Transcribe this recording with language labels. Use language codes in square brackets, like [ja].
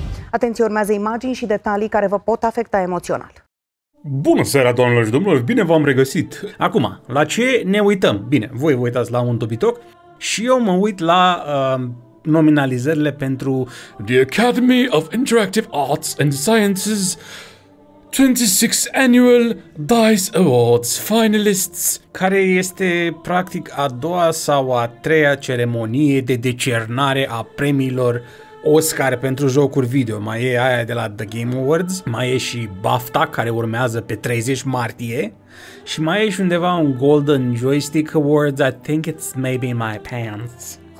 [ro] Atenție, urmează imagini și detalii care vă pot afecta emoțional. Bună seara, doamnelor și domnilor, bine v-am regăsit! Acum, la ce ne uităm? Bine, voi vă uitați la un topitoc și eu mă uit la nominalizările pentru [en] The Academy of Interactive Arts and Sciences 26th Annual DICE Awards Finalists, [ro] care este practic a doua sau a treia ceremonie de decernare a premiilor Oscar pentru jocuri video. Mai e aia de la The Game Awards, mai e și BAFTA, care urmează pe 30 martie, și mai e și undeva un Golden Joystick Awards, [en] I think it's maybe my pants.